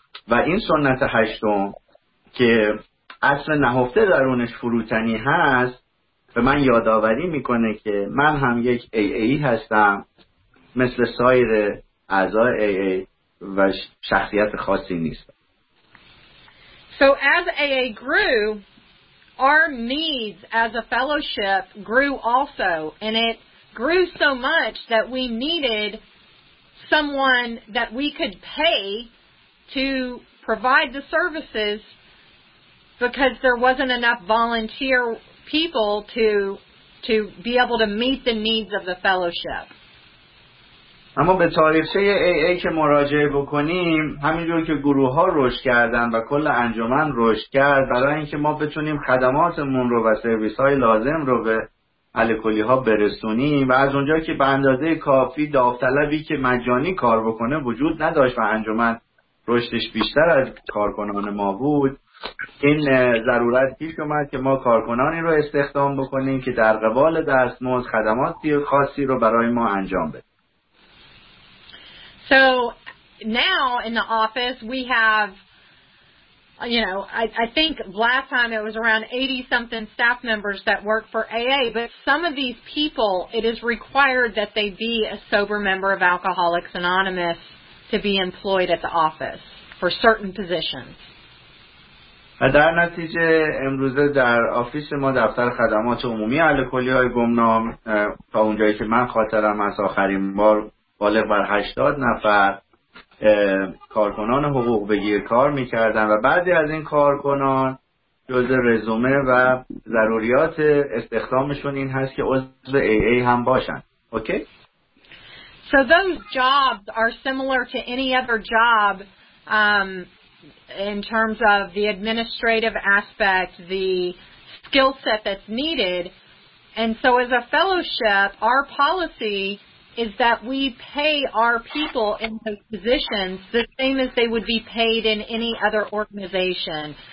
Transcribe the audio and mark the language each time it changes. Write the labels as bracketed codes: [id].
[fa] و این سنت هشتم که اصل نهفته درونش فروتنی هست به من یادآوری میکنه که من هم یک AA هستم مثل سایر اعضای AA و شخصیت خاصی نیست. [en] So as AA grew, our needs as a fellowship grew also, and it grew so much that we needed someone that we could pay to provide the services because there wasn't enough volunteer people to be able to meet the needs of the fellowship. [fa] اما به تاریخچه AA که مراجعه بکنیم، همینجور که گروه ها رشد کردن و کل انجمن رشد کرد، برای اینکه ما بتونیم خدماتمون رو و سرویس های لازم رو به الکلی ها برسونیم و از اونجا که به اندازه کافی داوطلبی که مجانی کار بکنه وجود نداشت و انجمن رشدش بیشتر از کارکنان ما بود، این ضرورت پیش اومد که ما کارکنانی رو استخدام بکنیم که در قبال دستمزد خدماتی خاصی رو برای ما انجام بده. [en] So now in the office we have, you know, I think last time it was around 80-something staff members that work for AA, but some of these people, it is required that they be a sober member of Alcoholics Anonymous to be employed at the office for certain positions. [fa] در نتیجه امروزه در آفیس ما دفتر خدمات عمومی الکلی‌های گمنام تا اونجایی که من خاطرم از آخرین بار بالغ بر 80 نفر کارکنان حقوق بگیر کار میکردن و بعضی از این کارکنان جزء رزومه و ضروریات استخدامشون این هست که عضو AA هم باشن. اوکی؟ [en] So those jobs are similar to any other job in terms of the administrative aspect, the skill set that's needed. And so as a fellowship, our policy is that we pay our people in those positions the same as they would be paid in any other organization.